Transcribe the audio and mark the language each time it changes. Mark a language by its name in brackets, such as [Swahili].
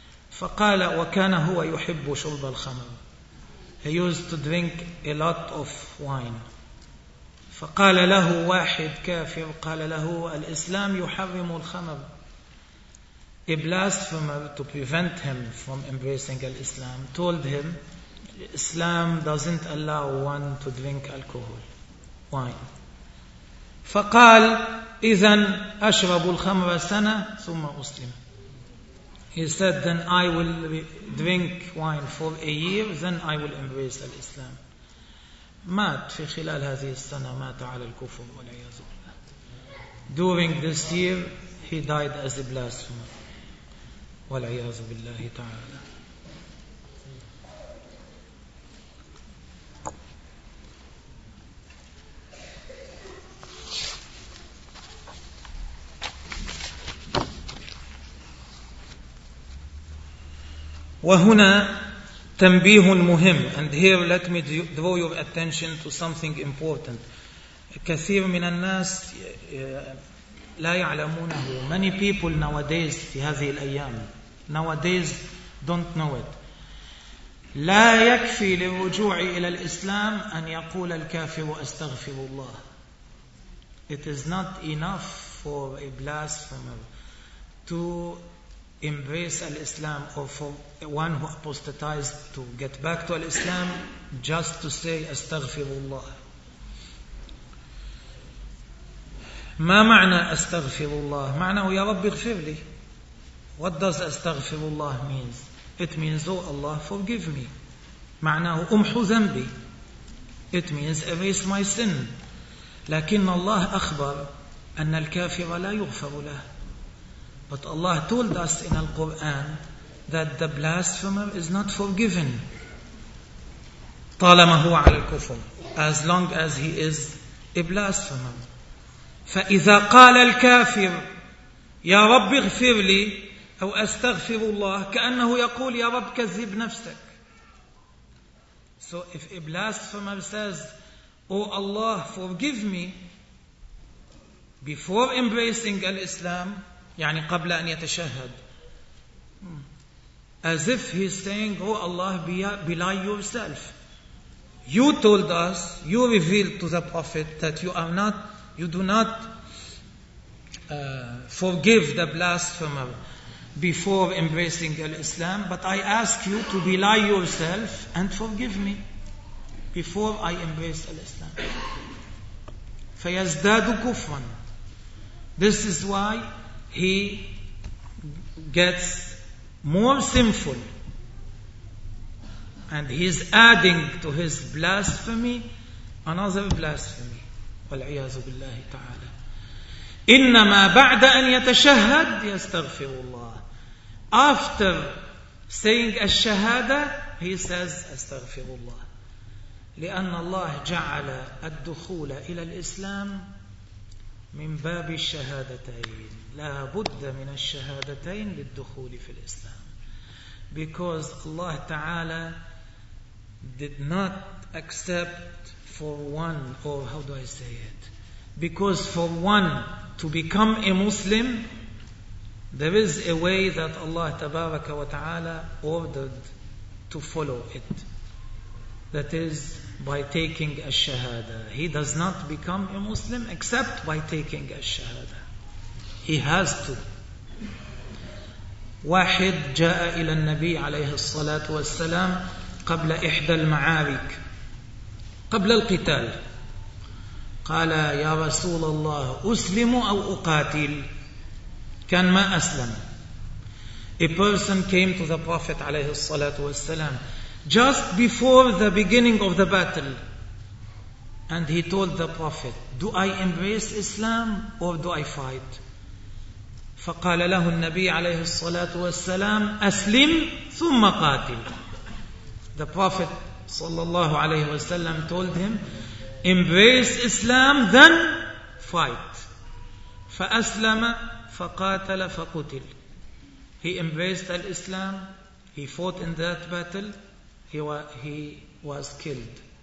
[Arabic] فقال وكان هو يحب شرب الخمر. [English] He used to drink a lot of wine. [Arabic] فقال له واحد كافر قال له الإسلام يحرم الخمر. [English] A blasphemer, to prevent him from embracing Islam, told him Islam doesn't allow one to drink alcohol, wine. [Arabic] فقال إذن أشرب الخمر سنة ثم أسلم. [English] He said then I will drink wine for a year, then I will embrace Islam. [Arabic] مات في خلال هذه السنة مات على الكفر والعياذ بالله. [English] During this year he died as a blasphemer [Arabic] والعياذ بالله تعالى. وهنا تنبيه مهم. [English] And here let me draw your attention to something important. [Arabic] كثير من الناس لا يعلمونه. [English] Many people nowadays [Arabic] في هذه الأيام [English] nowadays don't know it. [Arabic] لا يكفي للرجوع إلى الإسلام أن يقول الكافر أستغفر الله. [English] It is not enough for a blasphemer to embrace al-Islam, or for one who apostatized to get back to al-Islam, just to say astaghfirullah. [Arabic] ما معنى astaghfirullah? معناه يا رب اغفر لي. [English] What does astaghfirullah means? It means oh Allah forgive me. [Arabic] معناه امحو ذنبي. [English] It means erase my sin. [Arabic] لكن الله أخبر أن الكافر لا يغفر له. [English] But Allah told us in the Quran that the blasphemer is not forgiven [Arabic] طالما هو على الكفر, [English] as long as he is a blasphemer. [Arabic] فإذا قال الكافر يا رب اغفر لي أو أستغفر الله كأنه يقول يا رب كذب نفسك. [English] So if a blasphemer says oh Allah forgive me before embracing al-Islam, [Arabic] يعني قبل أن يتشهد, [English] as if he's saying oh Allah belie yourself, you told us, you revealed to the Prophet that you are not, you do not forgive the blasphemer before embracing Islam, but I ask you to belie yourself and forgive me before I embrace Islam. [Arabic] فيزداد كفرا. [English] This is why he gets more sinful and he's adding to his blasphemy another blasphemy [Arabic] والعياذ بالله تعالى. إنما بعد أن يتشهد يستغفر الله. [English] After saying الشهادة he says [Arabic] أستغفر الله. لأن الله جعل الدخول إلى الإسلام من باب الشهادتين. لا بد من الشهادتين للدخول في الإسلام. [English] Because Allah Ta'ala did not accept for one, or how do I say it? Because for one to become a Muslim, there is a way that Allah Tabaraka wa Ta'ala ordered to follow it. That is by taking a shahada. He does not become a Muslim except by taking a shahada. He has to. [Arabic] واحد جاء إلى النبي عليه الصلاة والسلام قبل إحدى المعارك قبل القتال قال يا رسول الله أسلم أو أقاتل. كان ما أسلم. [English] A person came to the Prophet [Arabic] عليه الصلاة والسلام [English] just before the beginning of the battle. And he told the Prophet, do I embrace Islam or do I fight? [Arabic] فقال له النبي عليه الصلاة والسلام أسلم ثم قاتل. [English] The Prophet [Arabic] صلى الله عليه وسلم [English] told him, embrace Islam then fight. [Arabic] فأسلم فقاتل فقتل. [English] He embraced Islam, he fought in that battle, he was killed.